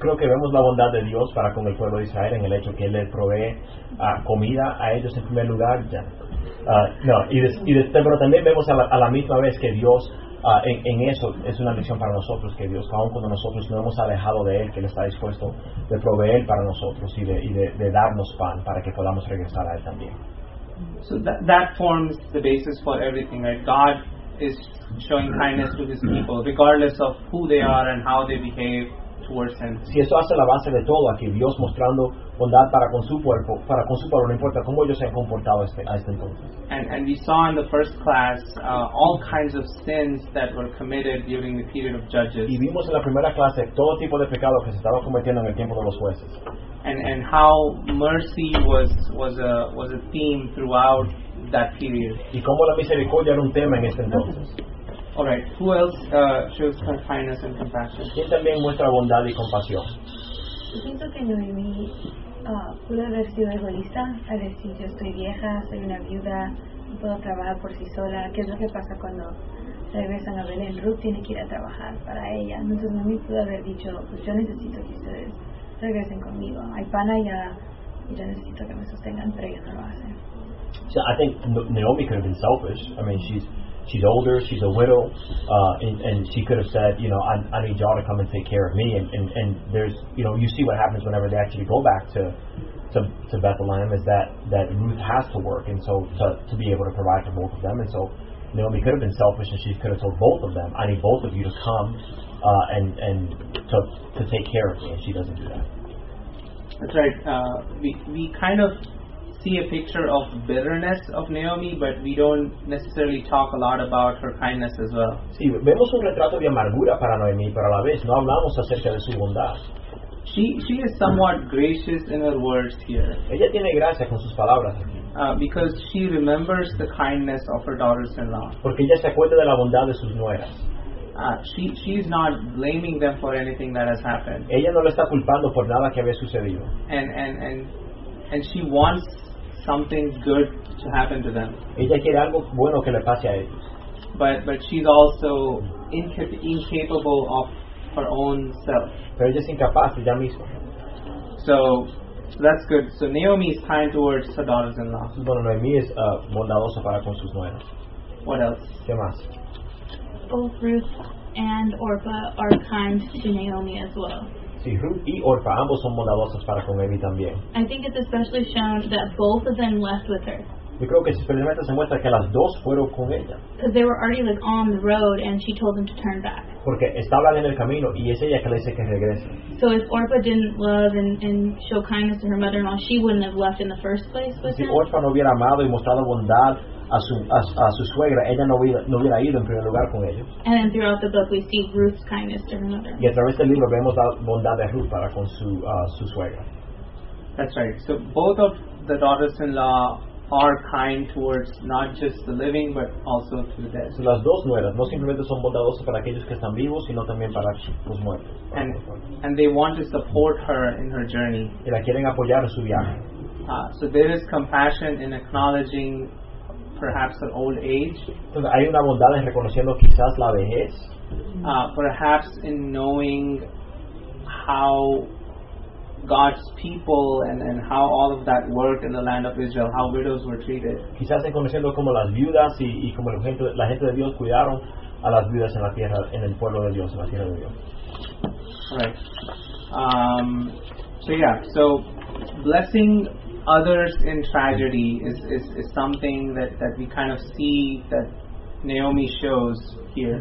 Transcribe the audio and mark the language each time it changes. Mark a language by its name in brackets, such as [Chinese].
[Spanish] creo que vemos la bondad de Dios para con el pueblo de Israel en el hecho que Él les provee comida a ellos en primer lugar. Ya. Pero también vemos a la misma vez que Dios en eso es una lección para nosotros, que Dios, aun cuando nosotros nos hemos alejado de Él, que Él está dispuesto de proveer para nosotros y de darnos pan para que podamos regresar a Él también. [English] So that forms the basis for everything, right? God is showing kindness to His people regardless of who they are and how they behave towards Him. [Spanish] Si eso hace la base de todo aquí, Dios mostrando bondad para con su cuerpo, para con su pueblo, no importa cómo ellos se han comportado hasta entonces. [English] And we saw in the first class all kinds of sins that were committed during the period of judges. [Spanish] Y vimos en la primera clase todo tipo de pecados que se estaba cometiendo en el tiempo de los jueces. [English] And how mercy was a theme throughout that period. [Spanish] Y cómo la misericordia era un tema en este entonces. [English] All right. Who else shows kindness and compassion? [Spanish] ¿Quién también muestra bondad y compasión? Yo pienso que Noemí pudo haber sido egoísta a decir, yo estoy vieja, soy una viuda, no puedo trabajar por sí sola. ¿Qué es lo que pasa cuando regresan a Belén? Ruth tiene que ir a trabajar para ella. Entonces Noemí pudo haber dicho, pues yo necesito que ustedes regresen conmigo. Hay pan allá y yo necesito que me sostengan, pero ellos no lo hacen. [English] So I think Naomi could have been selfish. I mean, she's older, she's a widow, and she could have said, you know, I need y'all to come and take care of me. And there's, you know, you see what happens whenever they actually go back to Bethlehem is that Ruth has to work, and so to be able to provide for both of them. And so Naomi could have been selfish, and she could have told both of them, I need both of you to come and to take care of me, and she doesn't do that. That's right. We kind of see a picture of bitterness of Naomi, but we don't necessarily talk a lot about her kindness as well. [Spanish] Sí, vemos un retrato de amargura para Noemi, pero a la vez no hablamos acerca de su bondad. [English] She is somewhat gracious in her words here. [Spanish] Ella tiene gracia con sus palabras aquí. [English] Because she remembers the kindness of her daughters-in-law. [Spanish] Porque ella se acuerda de la bondad de sus nueras. [English] She is not blaming them for anything that has happened. [Spanish] Ella no lo está culpando por nada que había sucedido. [English] And she wants something good to happen to them. [Spanish] Ella quiere algo bueno que le pase a ellos. [English] But she's also incapable of her own self. [Spanish] Pero ella es incapaz ella misma. [English] So that's good. So Naomi is kind towards her daughters-in-law. [Spanish] Bueno, Naomi es bondadosa para con sus nueras. [English] What else? [Spanish] ¿Qué más? [English] Both Ruth and Orpah are kind to Naomi as well. [Spanish] Sí, Ruth y Orpah, ambos son bondadosos para con Naomi también. [English] I think it's especially shown that both of them left with her. [Spanish] Yo creo que especialmente se muestra que las dos fueron con ella. [English] Because they were already like on the road and she told them to turn back. [Spanish] Porque estaban en el camino y es ella que le dice que regrese. [English] So if Orpah didn't love and show kindness to her mother-in-law, she wouldn't have left in the first place with [Spanish] him. Si Orpah no hubiera amado y mostrado bondad a su suegra, ella no hubiera ido en primer lugar con ellos. [English] And then throughout the book we see Ruth's kindness to her mother. [Spanish] Y a través del libro vemos la bondad de Ruth para con su suegra. [English] That's right. So both of the daughters-in-law are kind towards not just the living but also to the dead. [Spanish] So las dos nueras no simplemente son bondadosas para aquellos que están vivos, sino también para los muertos. [English] And they want to support her in her journey. [Spanish] Y la quieren apoyar en su viaje. [English] So there is compassion in acknowledging perhaps her old age. [Spanish] Entonces, hay una bondad en reconociendo quizás la vejez. [English] Perhaps in knowing how God's people and how all of that worked in the land of Israel, how widows were treated. [Spanish] Quizás en conociendo cómo las viudas y cómo la gente de Dios cuidaron a las viudas en la tierra, en el pueblo de Dios, en la tierra de Dios. [English] Right. So blessing others in tragedy is something that we kind of see that Naomi shows here.